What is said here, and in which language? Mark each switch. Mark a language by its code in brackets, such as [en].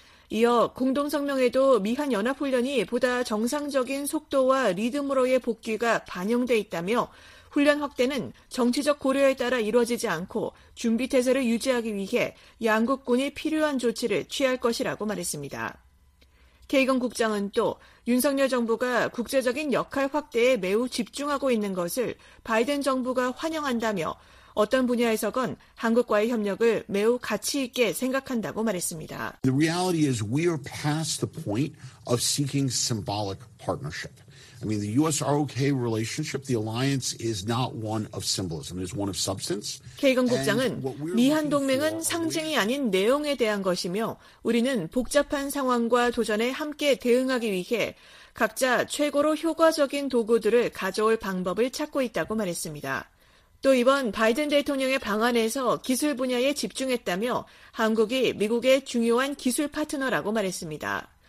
[ko] 이어 공동성명에도 미한 연합훈련이 보다 정상적인 속도와 리듬으로의 복귀가 반영돼 있다며 훈련 확대는 정치적 고려에 따라 이루어지지 않고 준비 태세를 유지하기 위해 양국 군이 필요한 조치를 취할 것이라고 말했습니다. 케이건 국장은 또 윤석열 정부가 국제적인 역할 확대에 매우 집중하고 있는 것을 바이든 정부가 환영한다며 어떤 분야에서건 한국과의 협력을 매우 가치 있게 생각한다고 말했습니다. [en] The reality is we are past the point of seeking symbolic partnership. I mean, the U.S.-ROK relationship, the alliance is not one of symbolism. It's one of substance. [ko] 케이건 국장은 미한 동맹은 상징이 아닌 내용에 대한 것이며 우리는 복잡한 상황과 도전에 함께 대응하기 위해 각자 최고로 효과적인 도구들을 가져올 방법을 찾고 있다고 말했습니다. 또 이번 바이든 대통령의 방한에서 기술 분야에 집중했다며 한국이 미국의 중요한 기술 파트너라고 말했습니다.